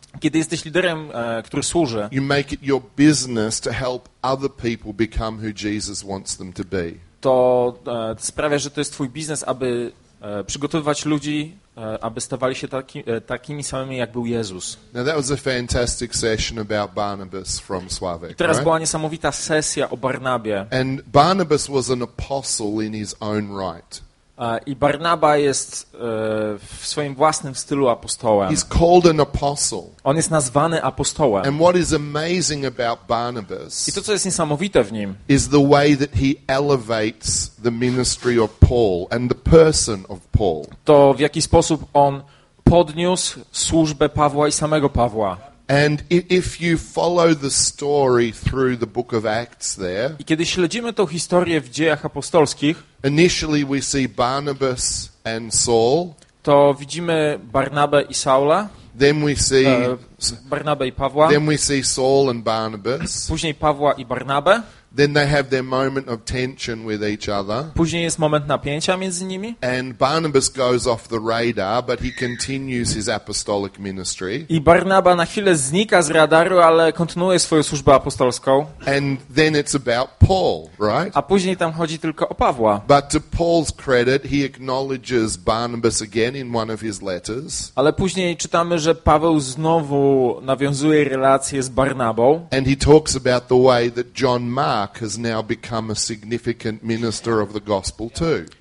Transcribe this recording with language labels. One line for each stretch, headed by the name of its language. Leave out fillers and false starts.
Polish: kiedy jesteś liderem, który służy,
English: you make it your business to help other people become who Jesus wants them to be.
Polish: To sprawia, że to jest twój biznes, aby przygotowywać ludzi, aby stawali się takimi samymi, jak był Jezus.
English: Now that was a fantastic session about Barnabas from Sławek.
Polish: I teraz
English: right?
Polish: była niesamowita sesja o Barnabie.
English: And Barnabas was an apostle in his own right.
Polish: I Barnaba jest w swoim własnym stylu apostołem.
English: He's called an apostle.
Polish: On jest nazwany apostołem.
English: And what is amazing about Barnabas?
Polish: I to, co jest niesamowite w nim,
English: is the way that he elevates the ministry of Paul and the person of Paul.
Polish: To w jaki sposób on podniósł służbę Pawła i samego Pawła.
English: And if you follow the story through the book of Acts there,
Polish: i kiedy śledzimy tą historię w Dziejach Apostolskich,
English: initially we see Barnabas and Saul,
Polish: to widzimy Barnabę i Saula,
English: then we see
Polish: Barnabę i Pawła,
English: then we see Saul and Barnabas,
Polish: później Pawła i Barnabę,
English: then they have their moment of tension with each other,
Polish: później jest moment napięcia między nimi,
English: and Barnabas goes off the radar, but he continues his apostolic ministry,
Polish: i Barnaba na chwilę znika z radaru, ale kontynuuje swoją służbę apostolską,
English: and then it's about Paul, right?
Polish: A później tam chodzi tylko o Pawła.
English: But to Paul's credit, he acknowledges Barnabas again in one of his letters,
Polish: ale później czytamy, że Paweł znowu nawiązuje relacje z Barnabą,
English: and he talks about the way that John Mark has now become a significant minister of the gospel too.